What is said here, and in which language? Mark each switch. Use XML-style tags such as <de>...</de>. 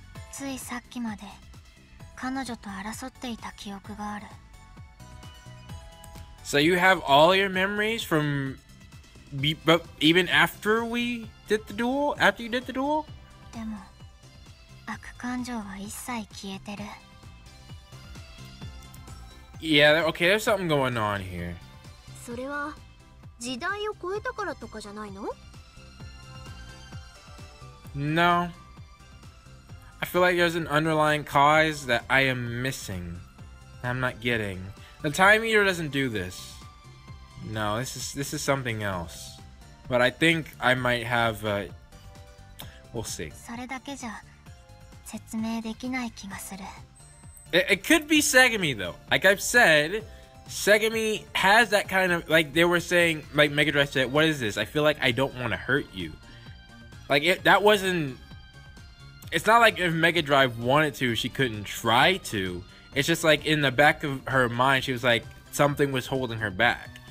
<ja>ついさっきまで彼女と争っていた記憶がある。</ja> <en>So you have all your memories from even after we did the duel? After you did the duel?</en> <ja>でも悪感情は一切消えてる。</ja> <en>Yeah, okay, there's something going on here.</en> <ja>それは時代を超えたからとかじゃないの？</ja> <en>No. I feel like there's an underlying cause that I am missing. I'm not getting. The time meter doesn't do this. No, this is something else. But I think I might have a... We'll see.</en> <ja>それだけじゃ説明できない気がする。</ja> <en>It could be Segami though. Like I've said, Segami has that kind of... Like they were saying, like Mega Drive said, what is this? I feel like I don't want to hurt you. Like that wasn't... It's not like if Mega Drive wanted to, she couldn't try to. It's just like in the back of her mind, she was like, something was holding her back.</en>